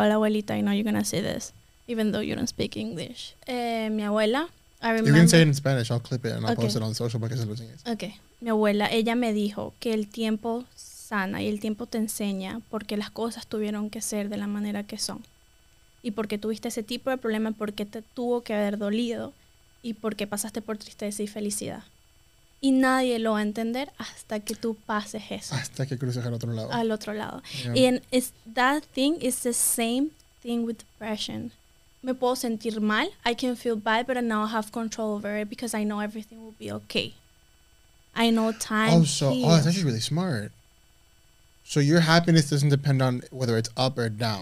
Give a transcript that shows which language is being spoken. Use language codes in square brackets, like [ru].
[es] Hola, abuelita. [en] I know you're going to say this, even though you don't speak English. [es] Mi abuela, [en] I remember. You can say it in Spanish. I'll clip it and I'll post it on social because I'm losing it. Okay. [es] Mi abuela, ella me dijo que el tiempo sana y el tiempo te enseña porque las cosas tuvieron que ser de la manera que son. Y porque tuviste ese tipo de problema, porque te tuvo que haber dolido y porque pasaste por tristeza y felicidad. Y nadie lo va a entender hasta que tú pases eso. Hasta que cruces al otro lado. Al otro lado. Yeah. [en] And it's, that thing is the same thing with depression. [es] Me puedo sentir mal. [en] I can feel bad, but now I have control over it because I know everything will be okay. I know time. Oh, so oh, that's actually really smart. So your happiness doesn't depend on whether it's up or down.